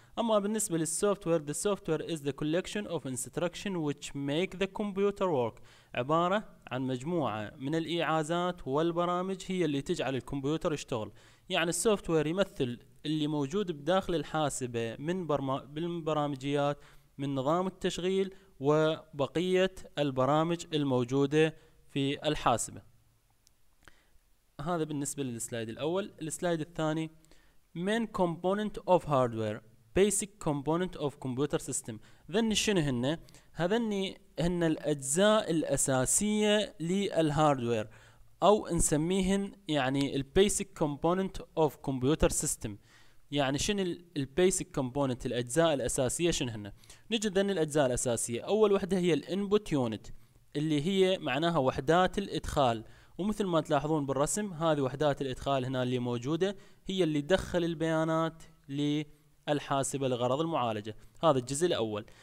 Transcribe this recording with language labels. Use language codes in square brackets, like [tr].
[ar] أما بالنسبة للسوفتوير، [en] the software is the collection of instruction which make the computer work، [ar] عبارة عن مجموعة من الإعازات والبرامج هي اللي تجعل الكمبيوتر يشتغل. يعني السوفتوير يمثل اللي موجود بداخل الحاسبة من برامجيات، من نظام التشغيل وبقية البرامج الموجودة في الحاسبة. هذا بالنسبة للسلايد الأول. السلايد الثاني، [en] main component of hardware، basic component of computer system. [ar] ذني شنو هن؟ هذني هن الأجزاء الأساسية للهاردوير، أو نسميهن يعني ال [en] basic component of computer system. [ar] يعني شنو البيسك كومبوننت، الاجزاء الاساسيه شنو هن؟ نجد ان الاجزاء الاساسيه، اول وحده هي الانبوت يونت اللي هي معناها وحدات الادخال، ومثل ما تلاحظون بالرسم هذه وحدات الادخال هنا اللي موجوده هي اللي تدخل البيانات للحاسبه لغرض المعالجه. هذا الجزء الاول.